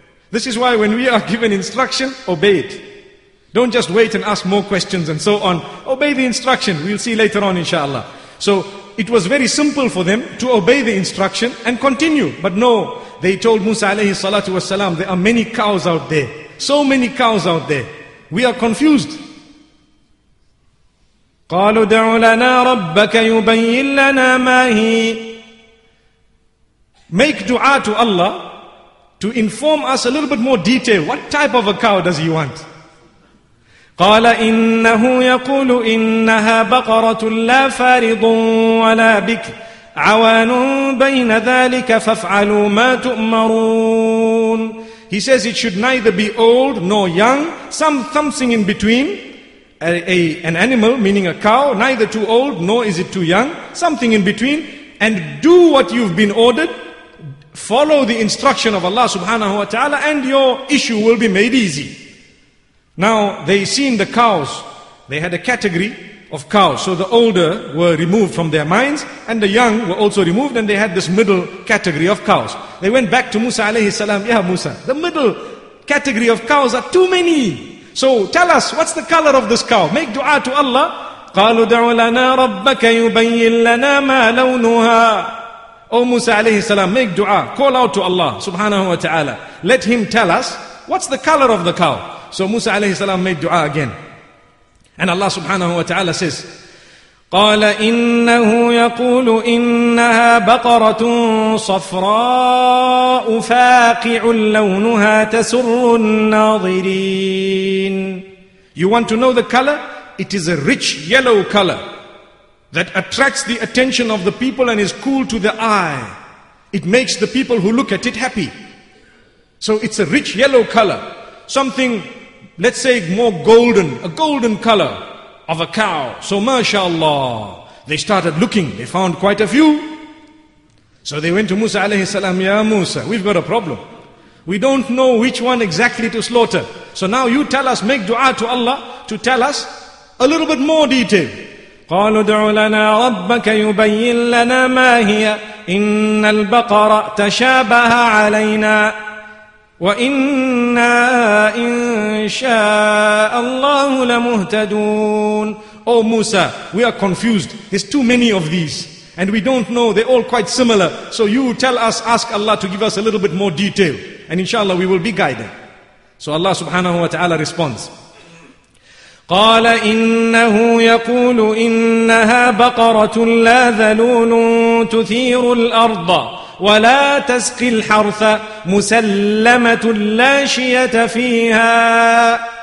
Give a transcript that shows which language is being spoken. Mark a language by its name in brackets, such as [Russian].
[English] This is why when we are given instruction, obey it. Don't just wait and ask more questions and so on. Obey the instruction. We'll see later on inshallah. So it was very simple for them to obey the instruction and continue. But no, they told Musa alayhi salatu wasalam, there are many cows out there. So many cows out there. We are confused. [Arabic] قالوا ادع لنا ربك يبين لنا ما هي. [English] Make dua to Allah to inform us a little bit more detail. What type of a cow does he want? [Arabic] قال إنه يقول إنها بقرة لا فارض ولا بك عوان بين ذلك فافعلوا ما تؤمرون. [English] He says it should neither be old nor young, something in between, an animal meaning a cow, neither too old nor is it too young, something in between, and do what you've been ordered, follow the instruction of Allah subhanahu wa ta'ala, and your issue will be made easy. Now they seen the cows, they had a category of cows, so the older were removed from their minds and the young were also removed, and they had this middle category of cows. They went back to Musa alayhi salam. Ya Musa, the middle category of cows are too many, so tell us, what's the color of this cow? Make dua to Allah. [Arabic] قالوا دع لنا ربك يبين لنا ما لونها. [English] Oh Musa alayhi salam, make dua, call out to Allah subhanahu wa ta'ala, let him tell us what's the color of the cow. So Musa alayhi salam made dua again. And Allah subhanahu wa ta'ala says, [Arabic] قَالَ إِنَّهُ يَقُولُ إِنَّهَا بَقَرَةٌ صَفْرَاءُ فَاقِعٌ لَوْنُهَا تَسُرُّ النَّاظِرِينَ. [English] You want to know the color? It is a rich yellow color that attracts the attention of the people and is cool to the eye. It makes the people who look at it happy. So it's a rich yellow color. Something, let's say, more golden, a golden color of a cow. So mashallah, they started looking, they found quite a few. So they went to Musa alayhi salam. Ya Musa, we've got a problem. We don't know which one exactly to slaughter. So now you tell us, make dua to Allah to tell us a little bit more detail. [Arabic] قالوا ادع لنا ربك يبين لنا ما هي إن البقر تشابه علينا وَإِنَّا إِن شَاءَ اللَّهُ لَمُهْتَدُونَ. [English] Oh Musa, we are confused. There's too many of these. And we don't know, they're all quite similar. So you tell us, ask Allah to give us a little bit more detail. And inshallah we will be guided. So Allah subhanahu wa ta'ala responds. [Arabic] قَالَ إِنَّهُ يَقُولُ إِنَّهَا بَقَرَةٌ لَا ذَلُولٌ تُثِيرُ الْأَرْضَ وَلَا تَسْقِي الْحَرْثَ مُسَلَّمَةٌ لَا شِيَةَ فِيهَا.